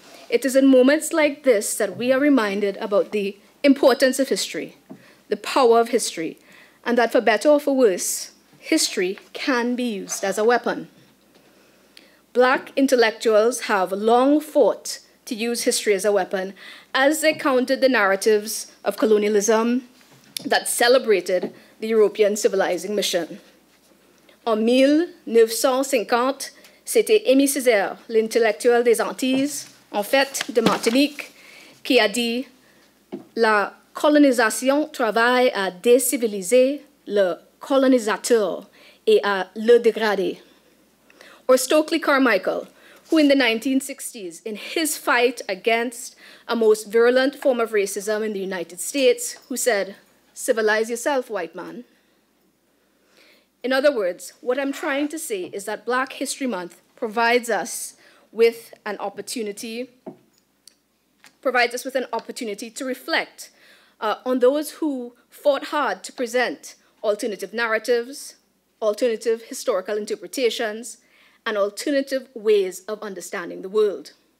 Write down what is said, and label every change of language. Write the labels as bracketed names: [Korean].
[English] It is in moments like this that we are reminded about the importance of history, the power of history, and that for better or for worse, history can be used as a weapon. Black intellectuals have long fought to use history as a weapon as they countered the narratives of colonialism that celebrated the European civilizing mission. [French] En 1950, c'était Aimé Césaire, l'intellectuel des Antilles, en fait de Martinique, qui a dit la colonisation travaille à déciviliser le colonisateur et à le dégrader. [English] Or Stokely Carmichael, who in the 1960s, in his fight against a most virulent form of racism in the United States, who said, "Civilize yourself, white man." In other words, what I'm trying to say is that Black History Month provides us with an opportunity to reflect on those who fought hard to present alternative narratives, alternative historical interpretations, and alternative ways of understanding the world.